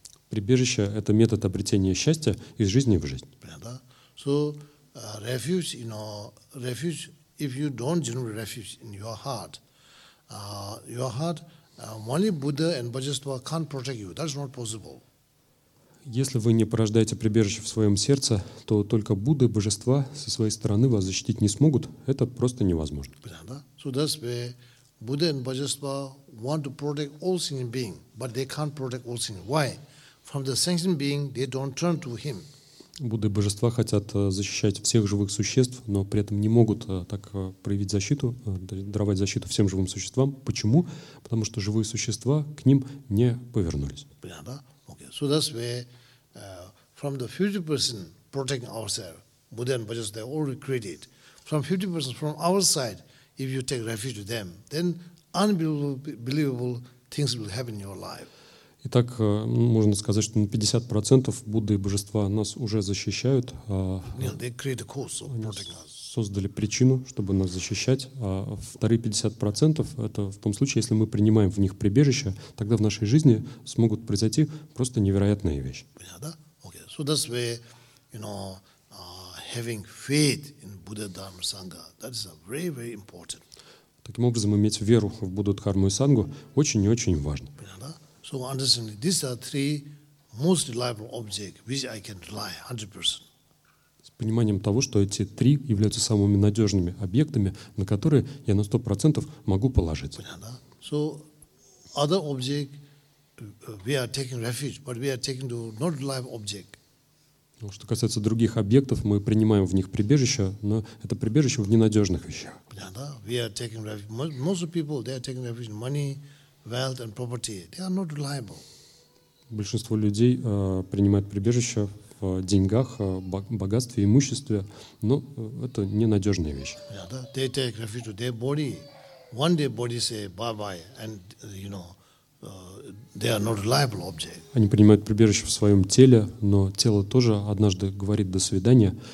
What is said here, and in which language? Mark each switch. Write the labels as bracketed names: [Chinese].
[Russian] Прибежище — это метод обретения счастья из жизни в жизнь. Понятно? [English] So refuge, you know, refuge. If you don't generate refuge in your heart, only Buddha and Bodhisattva can't protect you. That's not possible. [Russian] Если вы не порождаете прибежище в своем сердце, то только Будды, божества со своей стороны вас защитить не смогут. Это просто невозможно. Понятно? [English] So that's why Buddha and Bodhisattva want to protect all sentient beings, but they can't protect all sentient. Why? From the sentient being, they don't turn to him. [Russian] Будды и божества хотят защищать всех живых существ, но при этом не могут так проявить защиту, даровать защиту всем живым существам. Почему? Потому что живые существа к ним не повернулись. Понятно? Okay. [English] So that's where from the 50% protecting ourselves, Buddha and Bodhisattva, they already created. From 50% from our side, if you take refuge with them, then unbelievable things will happen in your life. [Russian] Итак, можно сказать, что на 50% Будды и Божества нас уже защищают. Создали причину, чтобы нас защищать. А вторые 50% — это в том случае, если мы принимаем в них прибежище, тогда в нашей жизни смогут произойти просто невероятные вещи. Понятно? Okay. [English] So that's where, you know, having faith in Buddha, Dharma, Sangha, that is very, very important. [Russian] Таким образом, иметь веру в Будду, Дхарму и Сангу очень и очень важно. Понятно? [English] So understand, these are three most reliable objects which I can rely 100%. [Russian] С пониманием того, что эти три являются самыми надежными объектами, на которые я на 100% могу положиться. Понятно? [English] So other object we are taking refuge, but we are taking to not reliable object. [Russian] Ну, что касается других объектов, мы принимаем в них прибежище, но это прибежище в ненадежных вещах. Понятно? [English] We are taking refuge. Most people, they are taking refuge in money, wealth and property, they are not reliable. [Russian] Большинство людей принимают прибежище в деньгах, богатстве, имуществе, но это ненадежная вещь. [English] Yeah, they take refuge to their body. One day body say bye-bye, and you know, they are not reliable object. [Russian] Они принимают прибежище в своем теле, но тело тоже однажды говорит до свидания.